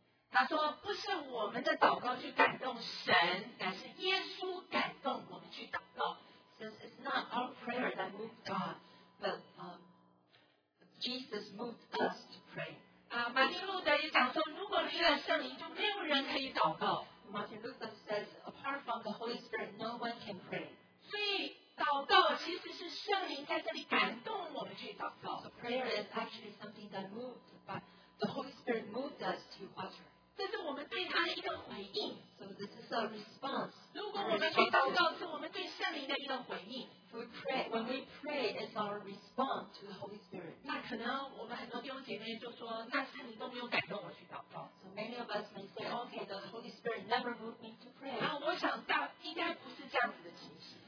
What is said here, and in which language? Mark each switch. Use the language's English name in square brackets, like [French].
[Chinese] 他说：“不是我们的祷告去感动神，乃是耶稣感动我们去祷告。” [English] It's not our prayer that moved God, but Jesus moved us to pray. [Chinese] 马丁路德也讲说，如果离了圣灵，就没有人可以祷告。 [English] Martin Luther says, apart from the Holy Spirit, no one can pray. [Chinese] 所以祷告其实是圣灵在这里感动我们去祷告。 [English] So prayer is actually something that moved, but the Holy Spirit moved us to utter. [Chinese] 这是我们对他的一个回应。 [English] So this is a response. [Chinese] 如果我们去祷告，是我们对圣灵的一个回应。 [English] If we pray, when we pray, it's our response to the Holy Spirit. [Chinese] 那可能我们很多弟兄姐妹就说，那圣灵都没有感动我去祷告。 [English] So many of us may say, okay, the Holy Spirit never moved me to pray. [Chinese] 啊，我想大应该不是这样子的情形。